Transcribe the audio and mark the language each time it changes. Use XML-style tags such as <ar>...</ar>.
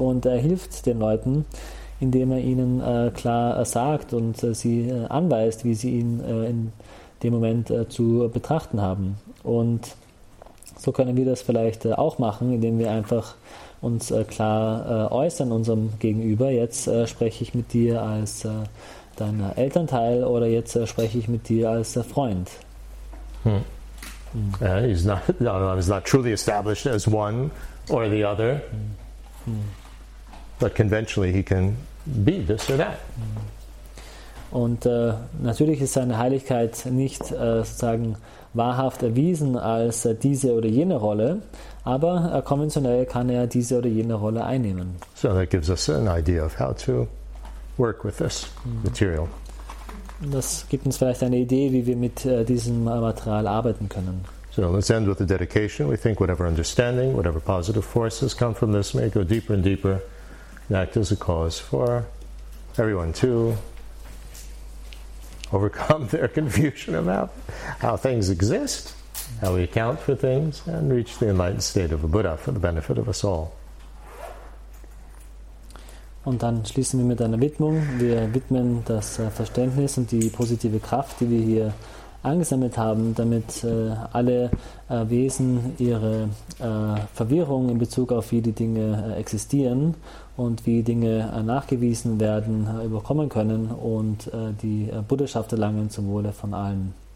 <de>Und er hilft den Leuten, indem er ihnen klar sagt und sie anweist, wie sie ihn in dem Moment zu betrachten haben. Und so können wir das vielleicht auch machen, indem wir einfach uns klar äußern unserem Gegenüber. Jetzt spreche ich mit dir als dein Elternteil oder jetzt spreche ich mit dir als Freund.</de> <en>He's not truly established as one or the other. But conventionally he can be this or that.</en> <de>Und natürlich ist seine Heiligkeit nicht sozusagen wahrhaft erwiesen als diese oder jene Rolle, aber konventionell kann er diese oder jene Rolle einnehmen.</de> <en>So that gives us an idea of how to work with this material.</en> <de>Das gibt uns vielleicht eine Idee, wie wir mit diesem Material arbeiten können.</de> <en>So let's end with the dedication. We think whatever understanding, whatever positive forces come from this may go deeper and deeper. Act as a cause for everyone to overcome their confusion about how things exist, how we account for things, and reach the enlightened state of a Buddha for the benefit of us all.</en> <de>Und dann schließen wir mit einer Widmung. Wir widmen das Verständnis und die positive Kraft, die wir hier angesammelt haben, damit alle Wesen ihre Verwirrung in Bezug auf wie die Dinge existieren und wie Dinge nachgewiesen werden, überkommen können und die Buddhaschaft erlangen zum Wohle von allen.</de>